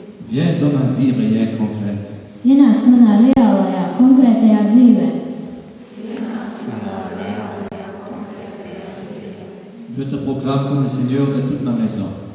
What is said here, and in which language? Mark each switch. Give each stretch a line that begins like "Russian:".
French: Viens dans ma vie réelle concrète.
Latvian: Ienāc manā reālajā, konkrētajā dzīvē.
French: Je te proclame comme le Seigneur de toute ma maison.